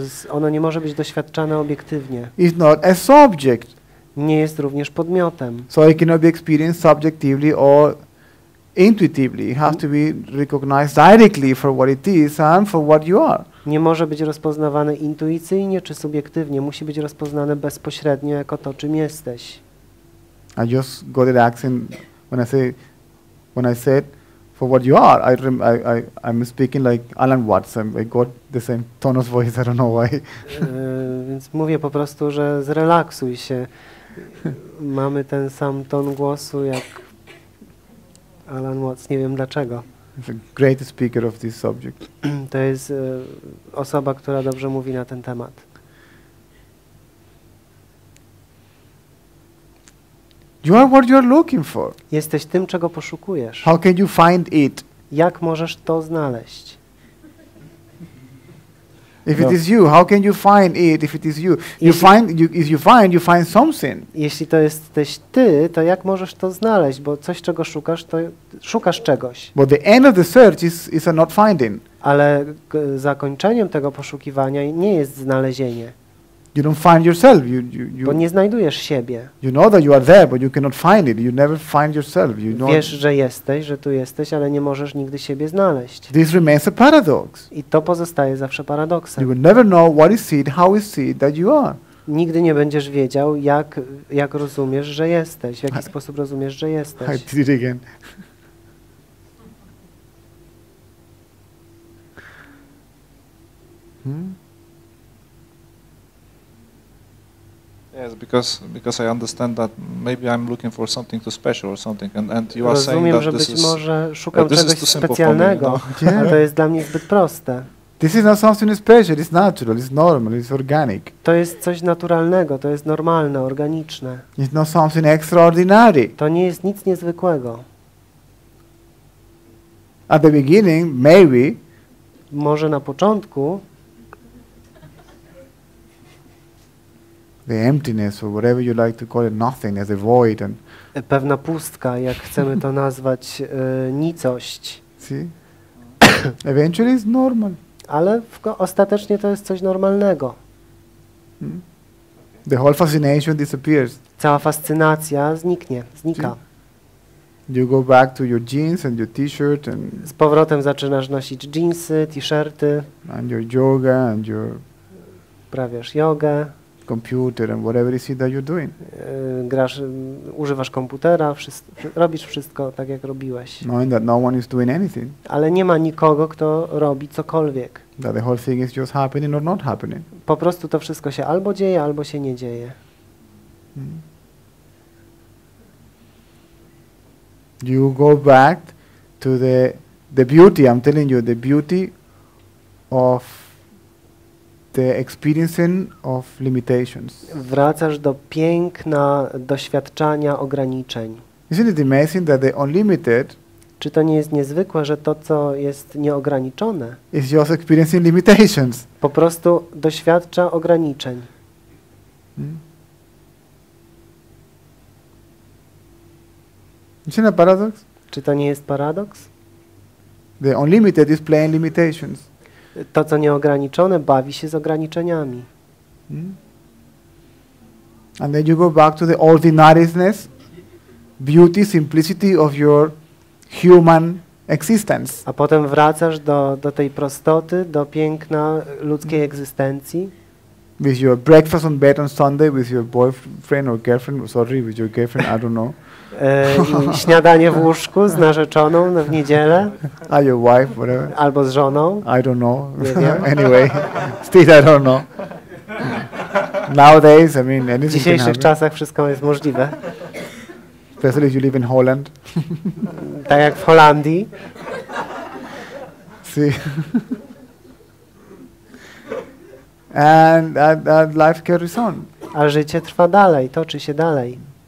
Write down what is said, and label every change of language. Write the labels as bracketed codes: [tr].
[pl] Ono nie może być doświadczane obiektywnie. [en] It's not a subject. [pl] Nie jest również podmiotem. [en] So it cannot be experienced subjectively or intuitively. It has to be recognized directly for what it is and for what you are. [pl] Nie może być rozpoznawane intuicyjnie czy subiektywnie. Musi być rozpoznane bezpośrednio jako to, czym jesteś. [en] I just got a reaction when I said for what you are. I'm speaking like Alan Watts. I got the same tone of voice. I don't know why. [pl] Więc mówię po prostu, że zrelaksuj się. Mamy ten sam ton głosu jak Alan Watts. Nie wiem dlaczego. [en] The great speaker of this subject. [pl] To jest osoba, która dobrze mówi na ten temat. [en] You are what you are looking for. [pl] Jesteś tym, czego poszukujesz. [en] How can you find it? [pl] Jak możesz to znaleźć? [en] If no. it is you, how can you find it if it is you? You jeśli find you, if you find, you find something. [pl] Jeśli to jesteś ty, to jak możesz to znaleźć, bo coś czego szukasz, to szukasz czegoś. [en] But the end of the search is a not finding. [pl] Ale zakończeniem tego poszukiwania nie jest znalezienie. [en] You don't find yourself. You [pl] bo nie znajdujesz siebie. [en] You know that you are there, but you cannot find it. You never find yourself. You know. [pl] Wiesz, że jesteś, że tu jesteś, ale nie możesz nigdy siebie znaleźć. [en] This remains a paradox. [pl] I to pozostaje zawsze paradoksem. [en] You will never know what is it, how is it that you are. [pl] Nigdy nie będziesz wiedział, jak rozumiesz, że jesteś, w jaki sposób rozumiesz, że jesteś. [en] I did it again. Yes, because I understand that maybe I'm looking for something too special or something, and you [pl] rozumiem, [en] are saying that this is [pl] może szukam czegoś specjalnego, [en] me, you know? Yeah. [pl] A to jest dla mnie zbyt proste. [en] This is not something special. It's natural. It's normal. It's organic. [pl] To jest coś naturalnego. To jest normalne, organiczne. [en] It's not something extraordinary. [pl] To nie jest nic niezwykłego. [en] At the beginning, maybe. [pl] Może na początku. [en] The emptiness, or whatever you like to call it, nothing, as a void, and [pl] pewna pustka, jak chcemy to nazwać, nicość. [en] See? Eventually, it's normal. [pl] Ale ostatecznie to jest coś normalnego. Hmm? [en] The whole fascination disappears. [pl] Cała fascynacja zniknie, znika. [en] See? You go back to your jeans and your t-shirt and [pl] z powrotem zaczynasz nosić jeansy, t-shirty. [en] And your yoga and your [pl] prawiasz jogę. [en] Computer and whatever it is that you're doing. [pl] Grasz, używasz komputera, robisz wszystko tak jak robiłeś. [en] Knowing that no one is doing anything. [pl] Ale nie ma nikogo, kto robi cokolwiek. [en] That the whole thing is just happening or not happening. [pl] Po prostu to wszystko się albo dzieje, albo się nie dzieje. Hmm. [en] You go back to the beauty. I'm telling you, the beauty of the experiencing of limitations. [pl] Wracasz do piękna doświadczania ograniczeń. [en] Isn't it amazing that the unlimited? [pl] Czy to nie jest niezwykłe, że to, co jest nieograniczone, [en] is just experiencing limitations? [pl] Po prostu doświadcza ograniczeń. Hmm? [en] Isn't it a paradox? [pl] Czy to nie jest paradoks? [en] The unlimited is playing limitations. [pl] To, co nieograniczone, bawi się z ograniczeniami. [en] Hmm? And then you go back to the ordinariness, beauty, simplicity of your human existence. [pl] A potem wracasz do tej prostoty, do piękna ludzkiej egzystencji. [en] With your breakfast on bed on Sunday with your boyfriend or girlfriend, sorry, with your girlfriend, I don't know. [pl] Śniadanie w łóżku z narzeczoną w niedzielę. [en] Are your wife, whatever. [pl] Albo z żoną. [en] I don't know. Anyway, still I don't know. Nowadays, I mean, anything. [pl] W dzisiejszych czasach wszystko jest możliwe. [en] Especially if you live in Holland. [pl] Tak jak w Holandii. [en] See. And that life carries on. [pl] A życie trwa dalej, toczy się dalej.